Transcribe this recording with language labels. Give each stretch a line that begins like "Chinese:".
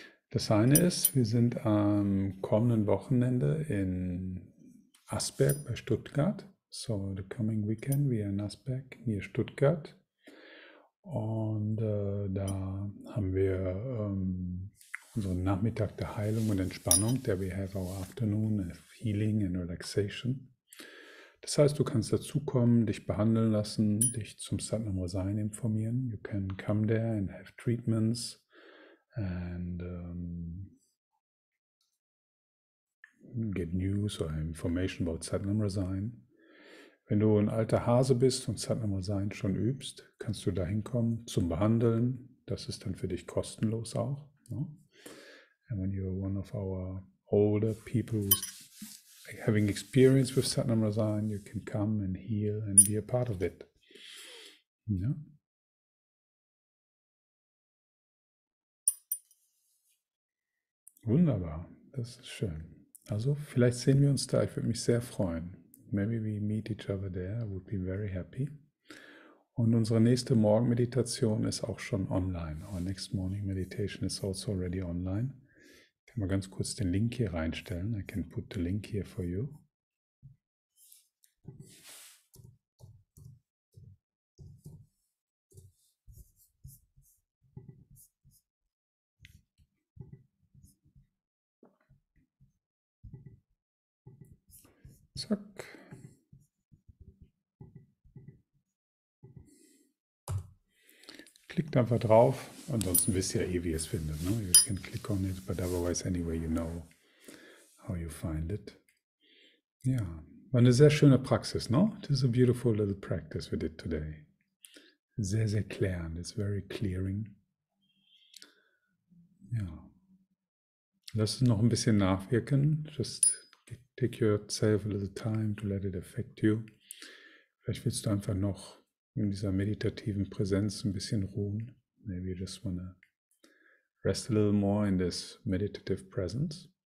German: Das eine ist, wir sind am kommenden Wochenende in Asberg bei Stuttgart.
English: So, the coming weekend we are in Asberg near Stuttgart.
German: Und da haben wir unseren Nachmittag der Heilung und Entspannung.
English: There we have our afternoon of healing and relaxation.
German: Das heißt, du kannst dazukommen, dich behandeln lassen, dich zum Satnam Rasayan informieren.
English: You can come there and have treatments. And get news or information about Satnam Rasayan.
German: Wenn du ein alter Hase bist und Satnam Rasayan schon übst, kannst du da hinkommen zum Behandeln. Das ist dann für dich kostenlos auch. No?
English: And when you're one of our older people who's having experience with Satnam Rasayan, you can come and heal and be a part of it. Yeah?
German: Wunderbar, das ist schön. Also, vielleicht sehen wir uns da, ich würde mich sehr freuen.
English: Maybe we meet each other there, I would be very happy.
German: Und unsere nächste Morgenmeditation ist auch schon online.
English: Our next morning meditation is also already online.
German: Ich kann mal ganz kurz den Link hier reinstellen.
English: I can put the link here for you.
German: Zack. Klickt einfach drauf. Ansonsten wisst ihr ja eh, wie ihr es findet.
English: No? You can click on it, but otherwise anyway you know how you find it.
German: Ja, war eine sehr schöne Praxis, no?
English: This is a beautiful little practice we did today.
German: Sehr, sehr klärend.
English: It's very clearing.
German: Ja. Lass es noch ein bisschen nachwirken.
English: Just take yourself a little time to let it affect you.
German: Vielleicht willst du einfach noch in dieser meditativen Präsenz ein bisschen ruhen.
English: Maybe you just want to rest a little more in this meditative presence.